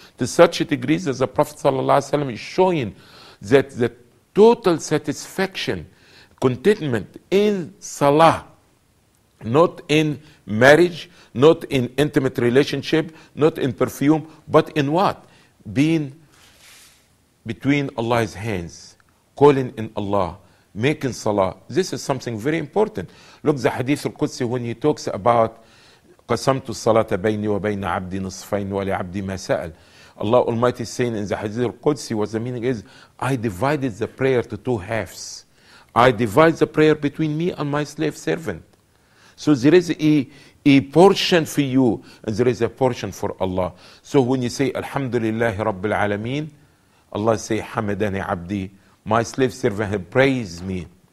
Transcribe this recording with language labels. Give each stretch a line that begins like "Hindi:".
English: To such a degree that the Prophet is showing that the total satisfaction, contentment in Salah, not in marriage, not in intimate relationship, not in perfume, but in what? Being between Allah's hands, calling in Allah, making salah. This is something very important. Look, the Hadith al-Qudsi, when he talks about
Arabic: قَسَمْتُ الصَّلَاةَ بَيْنِي وَبَيْنَ عَبْدِي نِصْفَيْنِ وَلِعَبْدِي مَا سَأَلْ.
English: Allah Almighty is saying in the Hadith al-Qudsi, what the meaning is, I divided the prayer to two halves. I divide the prayer between me and my slave servant. So there is a portion for you, and there is a portion for Allah. So when you say, Alhamdulillahi Rabbil Alameen, Allah say,
Arabic: Hamadani Abdi,
English: my slave servant has praised me.